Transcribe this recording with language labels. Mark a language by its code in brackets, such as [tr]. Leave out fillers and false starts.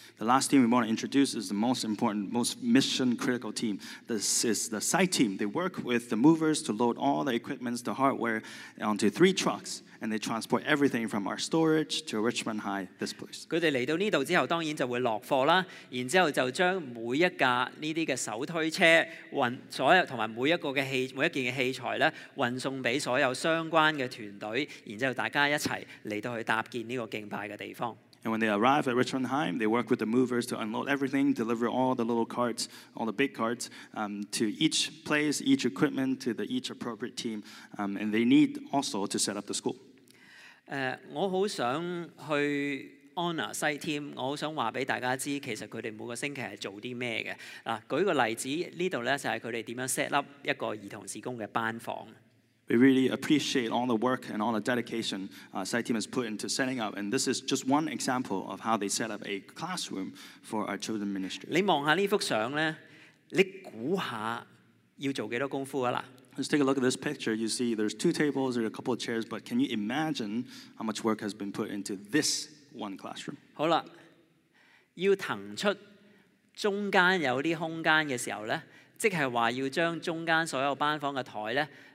[en] The last team we want to introduce is the most important, most mission critical team. This is the site team. They work with the movers to load all the equipment, the hardware onto 3 trucks. And they transport everything from our storage to Richmond High, this place. [yue] 佢哋嚟到呢度之後，當然就會落貨啦。然之後就將每一架呢啲嘅手推車運所有同埋每一個嘅器每一件嘅器材咧，運送俾所有相關嘅團隊。然之後大家一齊嚟到去搭建呢個敬拜嘅地方。 [en] And when they arrive at Richmond High, they work with the movers to unload everything, deliver all the little carts, all the big carts, to each place, each equipment, to the each appropriate team, and they need also to set up the school. [yue] 我好想去 honor 西 team， 我好想話俾大家知，其實佢哋每個星期係做啲咩嘅。嗱，舉個例子，呢度咧就係佢哋點樣 set up 一個兒童事工嘅班房。 [en] We really appreciate all the work and all the dedication site team has put into setting up. And this is just one example of how they set up a classroom for our children ministry. [yue] 你望下呢幅相咧，你估下要做几多功夫噶啦 [en] ？Let's take a look at this picture. You see, there's 2 tables, there's a couple of chairs, but can you imagine how much work has been put into this one classroom? [yue] 好啦，要腾出中间有啲空间嘅时候咧，即系话要将中间所有班房嘅台咧。